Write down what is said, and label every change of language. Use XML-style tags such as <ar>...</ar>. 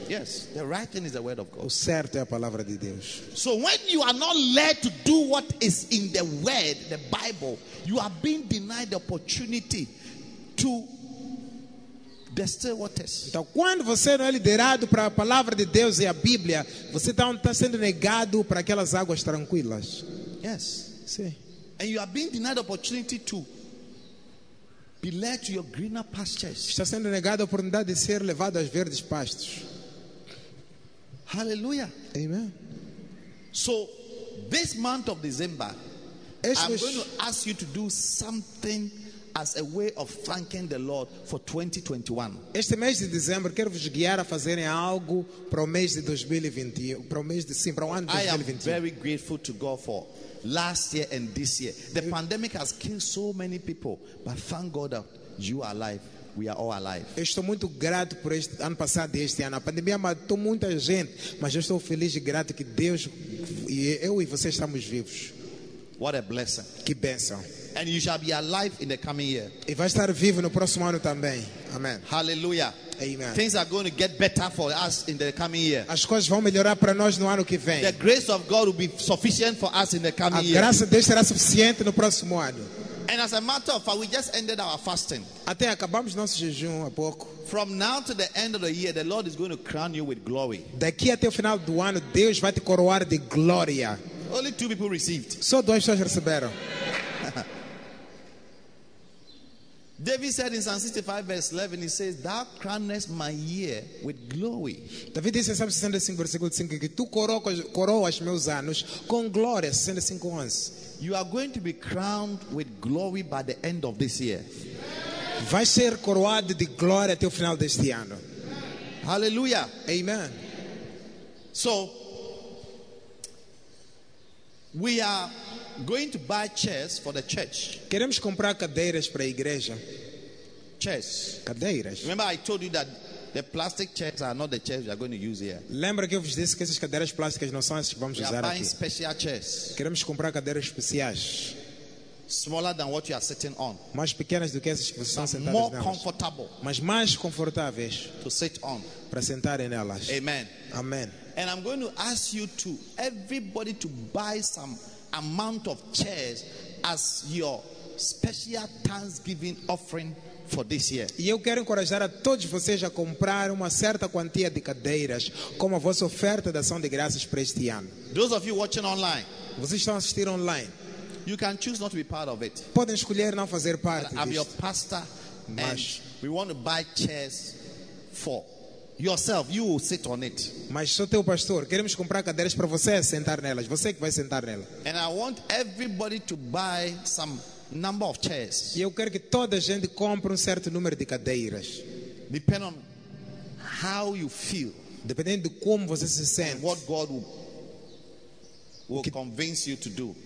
<en>Yes, the right thing is the word of God.</en> <pt>O certo é a palavra de Deus.</pt> <en>So when you are not led to do what is in the word, the Bible, you are being denied the opportunity to the still waters.</en> <pt>Então, quando você não é liderado para a palavra de Deus e a Bíblia, você está sendo negado para aquelas águas tranquilas.</pt> <en>Yes.</en> <pt>Sim.</pt> <en>And you are being denied opportunity to be led to your greener pastures.</en> <pt>Está sendo negado a oportunidade de ser levado às verdes pastos.</pt> <en>Hallelujah. Amen. So, this month of December, going to ask you to do something as a way of thanking the Lord for 2021.</en> <pt>Este mês de dezembro quero vos guiar a fazerem algo para o mês de 2020, para o mês de sim, para o ano de 2020.</pt> <en>I am very grateful to God for last year and this year. The pandemic has killed so many people, but thank God that you are alive. We are all alive.</en> <pt>Eu estou muito grato por este ano passado e este ano. A pandemia matou muita gente, mas eu estou feliz e grato que Deus e eu e você estamos vivos.</pt> <en>What a blessing.</en> <pt>Que bênção.</pt> <en>And you shall be alive in the coming year.</en> <pt>E vai estar vivo no próximo ano também. Amém.</pt> <en>Hallelujah. Amen. Things are going to get better for us in the coming year.</en> <pt>As coisas vão melhorar para nós no ano que vem.</pt> <en>The grace of God will be sufficient for us in the coming year.</en> <pt>A graça de Deus será suficiente no próximo ano.</pt> <en>And as a matter of fact, we just ended our fasting.</en> <pt>Até acabamos nosso jejum há pouco.</pt> <en>From now to the end of the year, the Lord is going to crown you with glory.</en> <pt>Daqui até o final do ano, Deus vai te coroar de glória.</pt> <en>Only two people received.</en> <pt>Só duas pessoas receberam.</pt> <en>David said in Psalm 65 verse 11, he says, "Thou crownest my year with glory."</en> <pt>David disse em Salmo 65 versículo 5 que tu coroas meus anos com glória. 65 anos.</pt> <en>You are going to be crowned with glory by the end of this year.</en> <pt>Vai ser coroado de glória até o final deste ano.</pt> <en>Hallelujah. Amen. So we are going to buy chairs for the church.</en> <pt>Queremos comprar cadeiras para a igreja.</pt> <en>Chairs.</en> <pt>Cadeiras.</pt> <en>Remember I told you that the plastic chairs are not the chairs we are going to use here.</en> <pt>Lembra que eu vos disse que essas cadeiras plásticas não são as que vamos</pt> <en>we</en> <pt>usar aqui.</pt> <en>We are buying special chairs.</en> <pt>Queremos comprar cadeiras especiais.</pt> <en>Smaller than what you are sitting on.</en> <pt>Mais pequenas do que essas que vocês estão sentadas nelas.</pt> <en>More comfortable.</en> <pt>Mas mais confortáveis.</pt> <en>To sit on.</en> <pt>Para sentar nelas.</pt> <en>Amen. Amen. And I'm going to ask you to everybody to buy some amount of chairs as your special Thanksgiving offering for this year.</en> <pt>E eu quero encorajar a todos vocês a comprar uma certa quantia de cadeiras como a vossa oferta de ação de graças para este ano.</pt> <en>Those of you watching online,</en> <pt>vocês estão assistindo online,</pt> <en>you can choose not to be part of it.</en> <pt>Podem escolher não fazer parte disto.</pt> <en>I'm your pastor,</en> <pt>mas</pt> <en>we want to buy chairs for yourself, you will sit on it.</en> <pt>Mas sou teu pastor, queremos comprar cadeiras para você sentar nelas. Você que vai sentar nela. And I want everybody to buy some number of chairs. E eu quero que toda a gente compre certo número de cadeiras. Depend on how you feel. Dependendo de como você se sente.</pt> <en>And what God will convince you to do.</en>